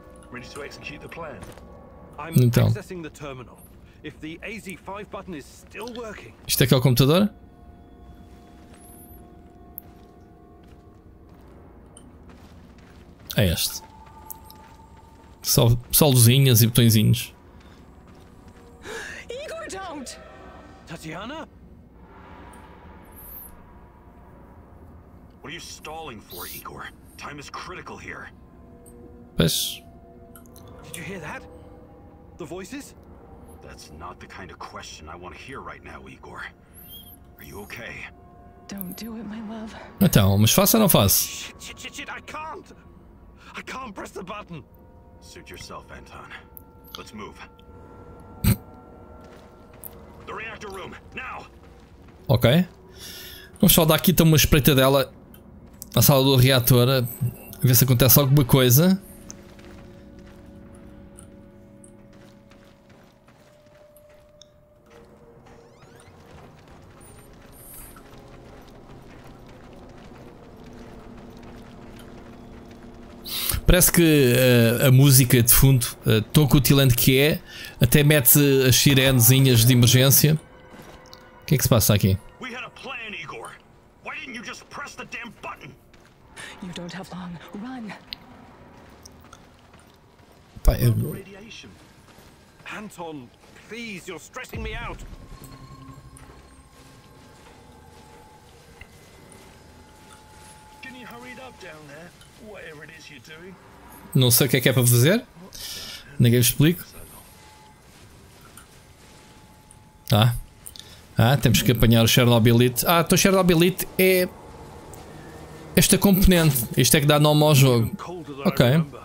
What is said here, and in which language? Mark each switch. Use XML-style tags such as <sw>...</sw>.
<en>Ready to execute the plan. I'm accessing the terminal. If the AZ5 button is still working.</en> <pt>Isto é que é o computador? É este. Só luzinhas e botõezinhos.</pt> <en>Igor, don't! Tatiana? What are you stalling for, Igor? Time is critical here.</en> <pt>Pois.</pt> <en>Did you hear that? The voices? That's not the kind of question I want to hear right now, Igor. Are you okay? Don't do it, my love.</en> <pt>Então, mas faça ou não faça?</pt> <en>Shit, I can't! I can't press the button. Suit yourself, Anton. Let's move. The reactor room, now. Ok.</en> <pt>Vamos só dar aqui então uma espreitadela à sala do reator, a ver se acontece alguma coisa. Parece que a música de fundo, tão cutilante que é, até mete as sirenezinhas de emergência. O que é que se passa aqui?</pt> <en>We had a plan, Igor. Why didn't you just press the damn button? You don't have long. Run.</en> <pt>Pai, eu...</pt> <en>Anton, please, you're stressing me out. Can you hurry it up down there? Whatever it is you're doing.</en> <pt>Não sei o que é para fazer. Ninguém me explica. Ah, temos que apanhar o Chernobylite. Ah, então o Chernobylite é esta componente. Isto é que dá nome ao jogo. Ok.</pt>